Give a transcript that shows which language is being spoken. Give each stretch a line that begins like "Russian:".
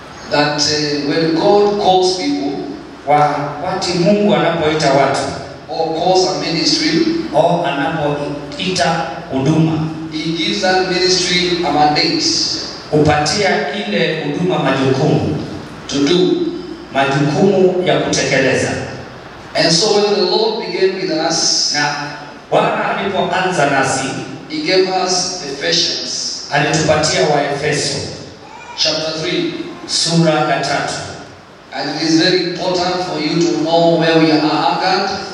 English: that when God calls people,
Swahili: wakati Mungu anapoita watu,
English: or calls a ministry,
Swahili: au anapoita huduma,
English: he gives that ministry a mandate.
Swahili: Upatia ile huduma majukumu.
English: To do.
Swahili: Majukumu ya kutekeleza.
English: And so when the Lord began with us,
Swahili: na Bwana alipoanza nasi,
English: he gave us Ephesians.
Swahili: Alitupatia wa Efeso.
English: Chapter 3.
Swahili: Sura ya 3.
English: And it is very important for you to know where we are anchored.